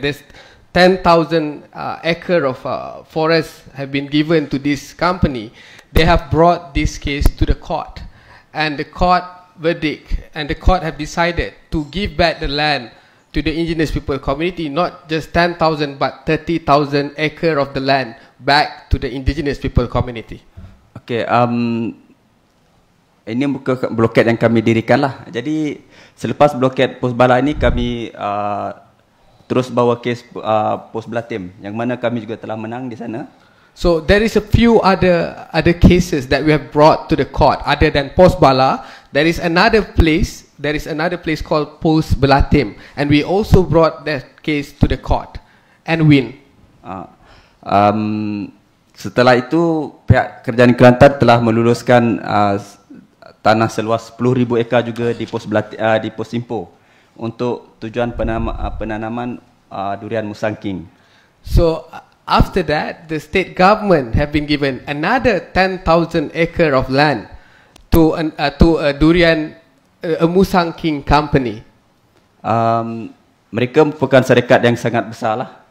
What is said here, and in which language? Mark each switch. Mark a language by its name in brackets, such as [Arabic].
[English] There's 10,000 acre of forest have been given to this company. They have brought this case to the court, and the court verdict, and the court have decided to give back the land to the Indigenous People Community, not just 10,000 but 30,000 acre of the land back to the Indigenous People Community. [Malay] Okay, ini buka blokade yang kami dirikanlah. Jadi selepas blokade Pos Bala ini, kami terus bawa kes Pos Bala Tim, yang mana kami juga telah menang di sana. [English] So there is a few other cases that we have brought to the court other than Pos Bala. There is another place called Pos Bala Tim, and we also brought that case to the court and win. [Malay] Setelah itu pihak Kerajaan Kelantan telah meluluskan tanah seluas 10,000 ekar juga di Pos Belati, di Pos Simpo untuk tujuan penanaman durian Musang King. [English] So after that the state government have been given another 10,000 acre of land to a durian a Musang King company. [Malay] Mereka merupakan syarikat yang sangat besar lah.